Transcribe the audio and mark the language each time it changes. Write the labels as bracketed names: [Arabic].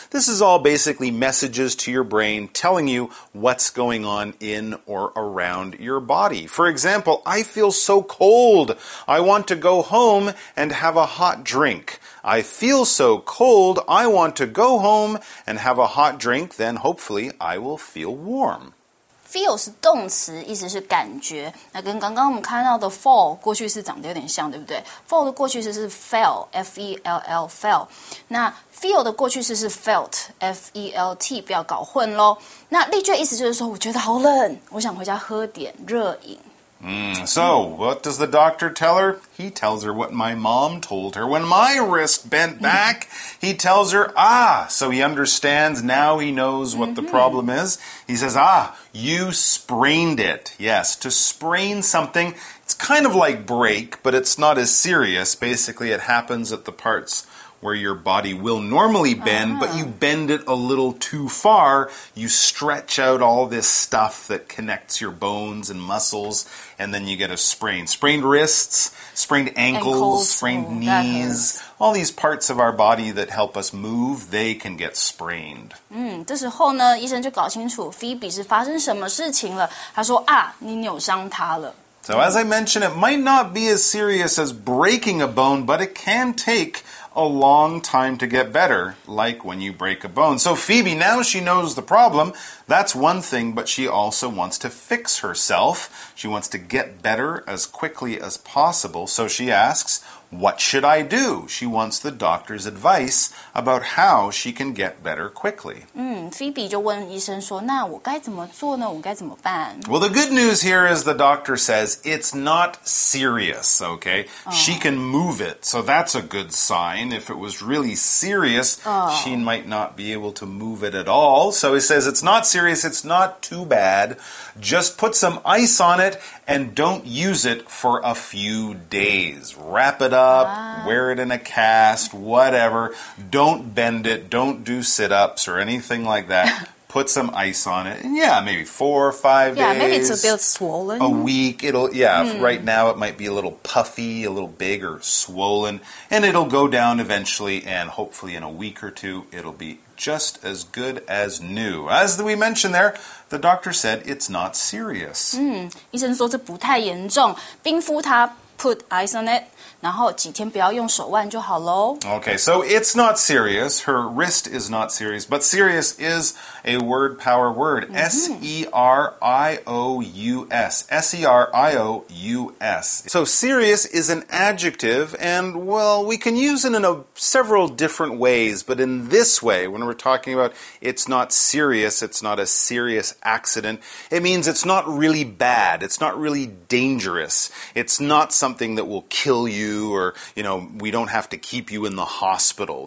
[English] This is all basically messages to your brain telling you what's going on in or around your body. For example, I feel so cold. I want to go home and have a hot drink. I feel so cold. I want to go home and have a hot drink. Then hopefully I will feel warm. [Chinese] Feel 是动词，意思是感觉。那跟刚刚我们看到的 fall 过去式长得有点像，对不对 ？fall 的过去式是 fell, F-E-L-L, fell。那 feel 的过去式是 felt, F-E-L-T， 不要搞混咯。那例句意思就是说，我觉得好冷，我想回家喝点热饮。 [English] So what does the doctor tell her? He tells her what my mom told her when my wrist bent back. He tells her, ah, so he understands now he knows what the problem is. He says, ah, you sprained it. Yes, to sprain something, it's kind of like break, but it's not as serious. Basically, it happens at the parts where your body will normally bend, but you bend it a little too far. You stretch out all this stuff that connects your bones and muscles, and then you get a sprain. Sprained wrists, sprained ankles, sprained knees, all these parts of our body that help us move, they can get sprained. [Chinese] 这时候呢，医生就搞清楚 Phoebe 是发生什么事情了。他说啊，你扭伤他了。 [English] So as I mentioned, it might not be as serious as breaking a bone, but it can take a long time to get better, like when you break a bone. So Phoebe, now she knows the problem. That's one thing, but she also wants to fix herself. She wants to get better as quickly as possible. So she asks, what should I do? She wants the doctor's advice about how she can get better quickly. [Chinese] Phoebe 就问医生说，那我该怎么做呢？我该怎么办？ [English] Well, the good news here is the doctor says it's not serious, okay? She can move it, so that's a good sign. If it was really serious, she might not be able to move it at all. So he says it's not serious, it's not too bad. Just put some ice on it and don't use it for a few days. Wrap it up, wear it in a cast, whatever. Don't bend it, don't do sit-ups or anything like that. Put some ice on it. And yeah, maybe 4 or 5 days. Yeah, maybe it's a bit swollen. A week. Right now it might be a little puffy, a little big or swollen. And it'll go down eventually, and hopefully in a week or two, it'll be just as good as new. As we mentioned there, the doctor said it's not serious. [Chinese] 医生说这不太严重。冰敷它 [English] put ice on it, [Chinese] 然后几天不要用手腕就好咯。 [English] Okay, so it's not serious. Her wrist is not serious, but serious is a word power word. S-E-R-I-O-U-S. S-E-R-I-O-U-S. So serious is an adjective, and well, we can use it in several different ways, but in this way, when we're talking about it's not serious, it's not a serious accident, it means it's not really bad, it's not really dangerous, it's not something that will kill you, or, you know, we don't have to keep you in the hospital.